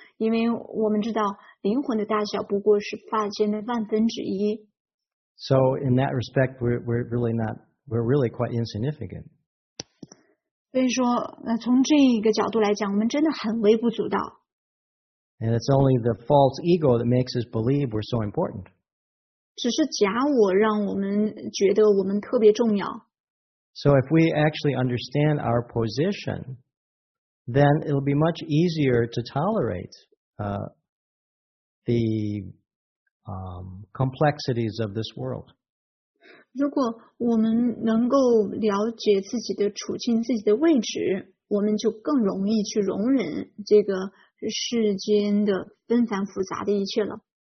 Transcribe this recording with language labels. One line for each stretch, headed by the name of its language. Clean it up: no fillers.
Chinese: 因为我们知道灵魂的大小不过是发间的万分之一。
English: So in that respect, we're really quite insignificant.
Chinese: 所以说，从这个角度来讲，我们真的很微不足道。
English: And it's only the false ego that makes us believe we're so important.
Chinese: 只是假我让我们觉得我们特别重要。
English: So if we actually understand our position, then it'll be much easier to tolerate the complexities of this world.
Chinese: 如果我们能够了解自己的处境、自己的位置，我们就更容易去容忍这个世间的纷繁复杂的一切了。